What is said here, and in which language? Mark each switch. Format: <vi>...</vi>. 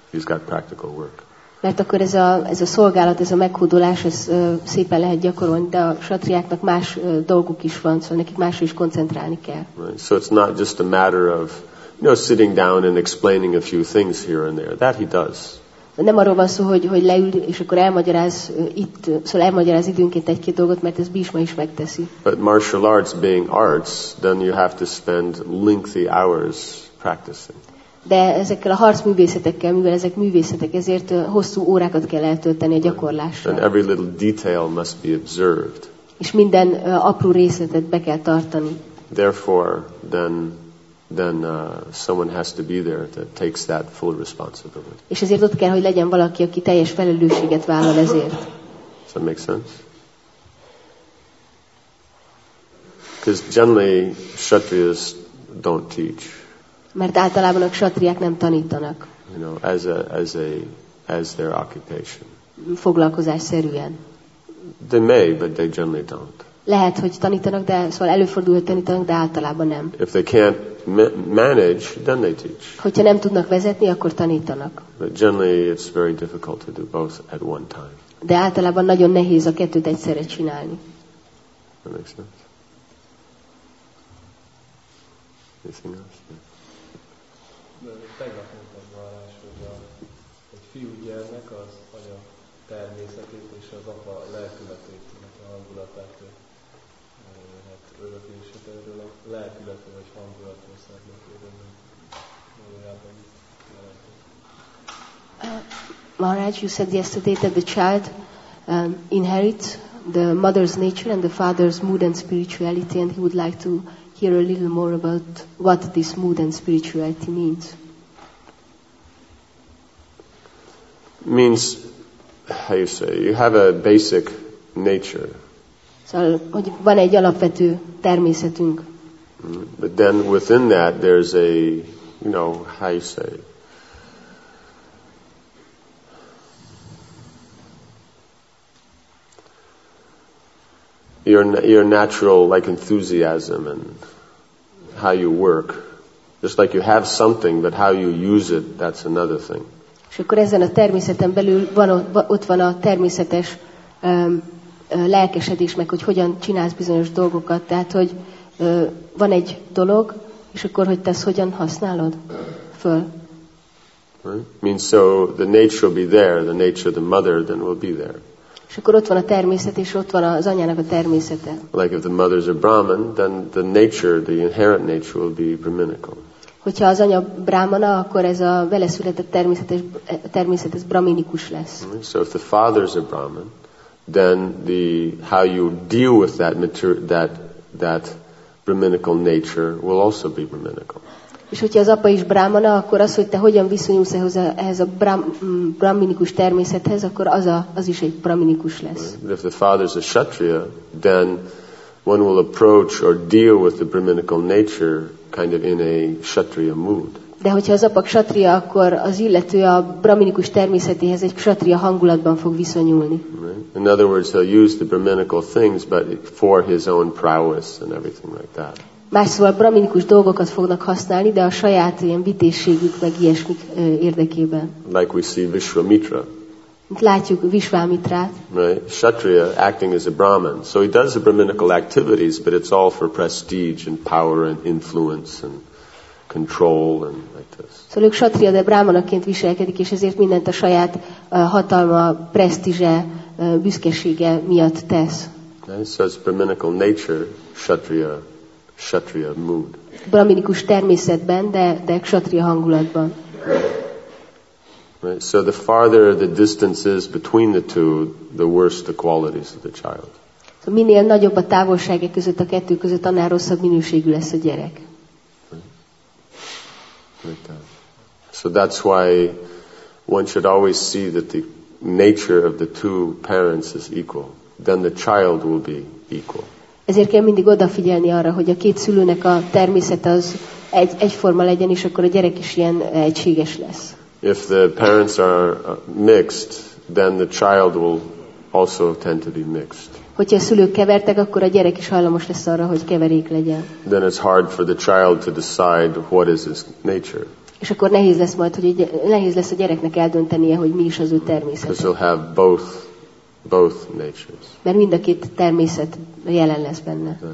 <en>He's got practical work.</en> <hu>Mert akkor ez a szolgálat, ez a meghódolás, ez szépen lehet gyakorolni, de a kshatriáknak más dolguk is van, szóval nekik másra is koncentrálni kell.</hu> <en>Right. So it's not just a matter of, you know, sitting down and explaining a few things here and there. That he does.</en> <hu>Nem arról van szó, hogy leül és akkor elmagyaráz itt, szóval elmagyaráz időnként egy-két dolgot, mert ez Bhishma is megteszi.</hu> <en>But martial arts being arts, then you have to spend lengthy hours practicing.</en> <hu>De ezekkel a harcművészetekkel, mivel ezek művészetek, ezért hosszú órákat kell eltölteni a gyakorlásra.</hu> <en>And every little detail must be observed.</en> <hu>És minden apró részletet be kell tartani.</hu> <en>Therefore, then someone has to be there that takes that full responsibility.</en> <hu>És ezért ott kell, hogy legyen valaki, aki teljes felelősséget vállal ezért.</hu> <en>Does that make sense? Because generally, kshatriyas don't teach.</en> <hu>Mert általában a kshatriák nem tanítanak.</hu> <en>You know, as their occupation.</en> <hu>Foglalkozás szerűen.</hu> <en>They may, but they generally don't.</en> <hu>Lehet, hogy tanítanak, de szóval előfordul, hogy tanítanak, de általában nem.</hu> <en>If they can't manage, then they teach.</en> <hu>Hogyha nem tudnak vezetni, akkor tanítanak.</hu> <en>But generally it's very difficult to do both at one time.</en> <hu>De általában nagyon nehéz a kettőt egyszerre csinálni.</hu> <en>That makes sense. Anything else?</en> <hu>Tegnap mondtam Márás, hogy egy fiúgyermek az anya természetét és az apa lelkületét, tehát a hangulatát, hát örökését erről a lelkületre vagy hangulatról szeretnék érteni. Valójában itt lehetett.</hu> <en>Márás, you said yesterday that the child inherits the mother's nature and the father's mood and spirituality, and he would like to hear a little more about what this mood and spirituality means. Means, how you say, you have a basic nature.</en> <hu>Szóval, hogy van egy alapvető természetünk.</hu> <en>But then within that there's a, you know, how you say, your natural, like, enthusiasm and how you work. Just like you have something, but how you use it, that's another thing.</en> <hu>És akkor ezen a természeten belül ott van a természetes lelkesedés, meg hogy hogyan csinálsz bizonyos dolgokat. Tehát, hogy van egy dolog, és akkor, hogy te ezt hogyan használod föl.</hu> <en>Right. Means so the nature will be there, the nature of the mother then will be there.</en> <hu>És akkor ott van a természet, és ott van az anyának a természete.</hu> <en>Like if the mother's a Brahman, then the nature, the inherent nature will be brahminical.</en> <hu>Hogyha az anya brahmana, akkor ez a vele született természet ez brahminikus lesz.</hu> <en>So if the father's a Brahman, then the how you deal with that that brahminical nature will also be brahminical.</en> <hu>És hogyha az apa is brahmana, akkor az, hogy te hogyan viszonyulsz ehhez a brahminikus természethez, akkor az is egy brahminikus lesz.</hu> <en>If the father's a kshatriya, then one will approach or deal with the brahminical nature kind of in a kshatriya mood.</en> <hu>De hogyha az apa kshatriya, akkor az illető a brahminikus természetéhez egy kshatriya hangulatban fog viszonyulni.</hu> <en>Right. In other words, he'll use the brahminical things, but for his own prowess and everything like that.</en> <hu>Más szóval brahminikus dolgokat fognak használni, de a saját ilyen vitézségük meg ilyesmik érdekében.</hu> <en>Like we see Vishwamitra.</en> <hu>látjuk Visvámitrát.</hu> <en>Right, Kshatriya acting as a Brahmin. So he does the Brahminical activities, but it's all for prestige and power and influence and control and like this.</en> <hu>Szóval ő Kshatriya, de Brahmanaként viselkedik, és ezért mindent a saját hatalma, presztízse, büszkesége miatt tesz.</hu> <en>Right, so it's Brahminical nature, Kshatriya. Kshatriya mood.</en> <hu>Brahminikus természetben, de Kshatriya hangulatban.</hu> <en>Right. So the farther the distance is between the two, the worse the qualities of the child.</en> <hu>So minél nagyobb a távolság e között a kettő között, annál rosszabb minőségű lesz a gyerek.</hu> <en>Right. Right. So that's why one should always see that the nature of the two parents is equal. Then the child will be equal.</en> <hu>Ezért kell mindig odafigyelni arra, hogy a két szülőnek a természet az egyforma legyen, és akkor a gyerek is ilyen egységes lesz.</hu> <en>If the parents are mixed, then the child will also tend to be mixed.</en> <hu>Hogyha a szülők kevertek, akkor a gyerek is hajlamos lesz arra, hogy keverék legyen.</hu> <en>Then it's hard for the child to decide what is his nature.</en> <hu>És akkor nehéz lesz majd, hogy nehéz lesz a gyereknek eldöntenie, hogy mi is az ő természete.</hu> <en>Because he'll have both natures.</en> <hu>Mert mind a két természet jelen lesz benne.</hu>